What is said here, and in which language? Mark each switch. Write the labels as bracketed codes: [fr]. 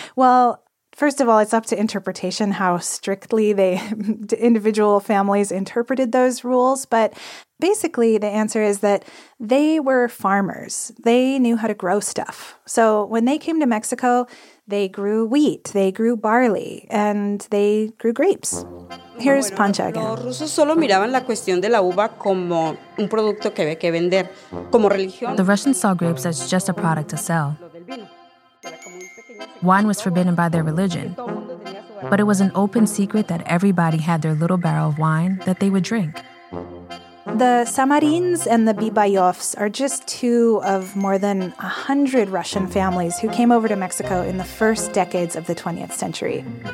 [en] Well, first of all, it's up to interpretation how strictly the individual families interpreted those rules. But basically, the answer is that they were farmers. They knew how to grow stuff. So when they came to Mexico, they grew wheat, they grew barley, and they grew grapes. Here's Pancha again. [es] Los rusos solo miraban la cuestión de la uva como un producto que había que vender, como religión. [en] The Russians saw grapes as just a product to sell. Wine was forbidden by their religion, but it was an open secret that everybody had their little barrel of wine that they would drink. The Samarins and the Bibayovs are just two of more than 100 Russian families who came over to Mexico in the first decades of the 20th century.